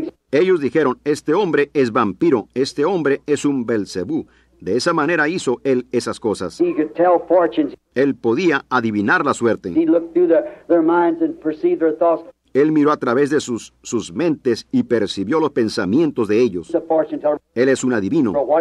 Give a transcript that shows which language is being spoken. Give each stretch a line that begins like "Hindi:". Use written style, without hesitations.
Spanish: Ellos dijeron, este hombre es vampiro, este hombre es un Belcebú. De esa manera hizo él esas cosas.
English: He could tell fortunes.
Spanish: Él podía adivinar la suerte.
English: He looked through their minds and perceived their thoughts.
Spanish: Él miró a través de sus mentes y percibió los pensamientos de ellos. Él es un adivino.